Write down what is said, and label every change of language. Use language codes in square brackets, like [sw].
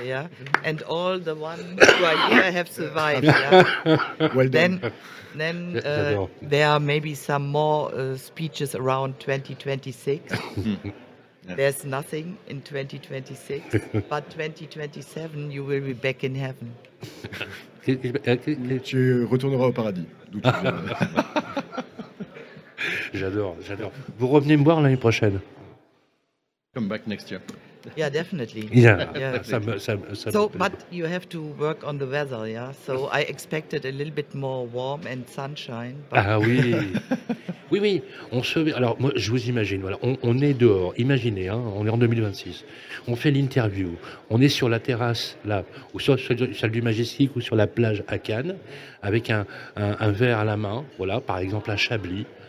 [en] Yeah, and all the ones who are here have survived. Yeah. Well done. Then there are maybe some more speeches around 2026. There's nothing in 2026, but 2027, you will be back in heaven. [fr] Tu retourneras au paradis. J'adore. Vous revenez me voir l'année prochaine. [en] Come back next year. Yeah, definitely. Yeah. Yeah. But you have to work on the weather, yeah? So I expected a little bit more warm and sunshine. [fr] But ah oui. Oui, oui. Alors, moi, je vous imagine, voilà, on est dehors. Imaginez, hein, on est en 2026. On fait l'interview. On est sur la terrasse, là, ou sur la salle du Majestic, ou sur la plage à Cannes, avec un verre à la main, voilà, par exemple à Chablis.